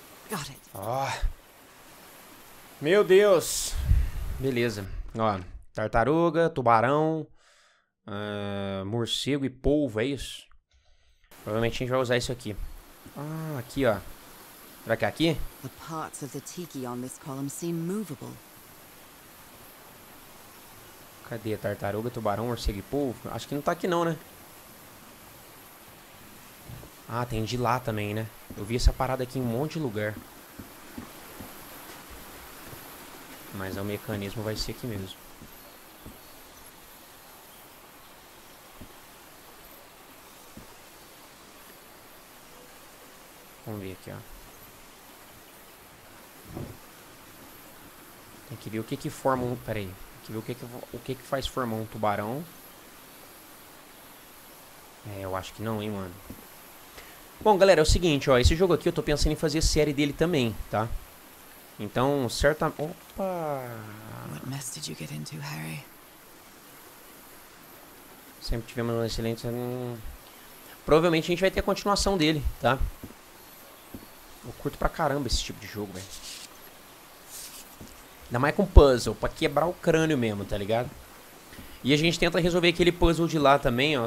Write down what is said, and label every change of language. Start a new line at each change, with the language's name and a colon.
English: Got it.
Portuguese: Ó. Meu Deus. Beleza. Ó, tartaruga, tubarão, morcego e polvo, é isso? Provavelmente a gente vai usar isso aqui. Ah, aqui, ó. Será que é aqui?
English: The parts of the tiki on this column seem movable.
Portuguese: Cadê a tartaruga, tubarão, morcego e polvo? Acho que não tá aqui não, né? Ah, tem de lá também, né? Eu vi essa parada aqui em um monte de lugar. Mas o mecanismo vai ser aqui mesmo. Vamos ver aqui, ó. Tem que ver o que que forma um... Pera aí. Tem que ver o que que faz formar um tubarão. É, eu acho que não, hein, mano. Bom, galera, é o seguinte, ó. Esse jogo aqui eu tô pensando em fazer série dele também, tá? Então, certa... Opa!
English: What mess did you get into, Harry?
Portuguese: Sempre tivemos um excelente... Provavelmente a gente vai ter a continuação dele, tá? Eu curto pra caramba esse tipo de jogo, velho. Ainda mais com puzzle, pra quebrar o crânio mesmo, tá ligado? E a gente tenta resolver aquele puzzle de lá também, ó.